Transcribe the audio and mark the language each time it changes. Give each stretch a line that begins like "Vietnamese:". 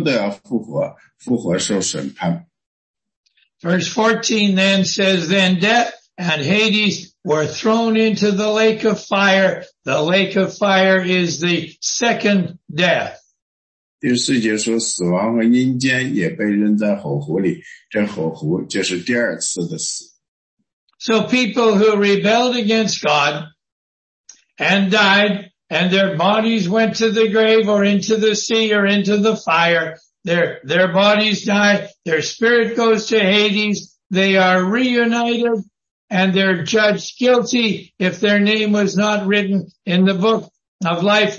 Chinese: 因为在这个里面，实际上呢，当时呢，所有的在地上死了的那些人，他们的身体是死了，他们的灵魂呢是下了阴间。在这个时候呢，他们的身体要被带回来，带回来以后和灵魂结合，然后复活。这次复活呢，就是那第一次没有复活的人，在只有一次全部都要复活，复活受审判。
English: Verse 14 then says, then death and Hades were thrown into the lake of fire. The lake of fire is the second death.
Chinese: 第四节说，死亡和阴间也被扔在火湖里，这火湖就是第二次的死。
English: So people who rebelled against God and died and their bodies went to the grave or into the sea or into the fire, their bodies die, their spirit goes to Hades, they are reunited, and they're judged guilty if their name was not written in the book of life.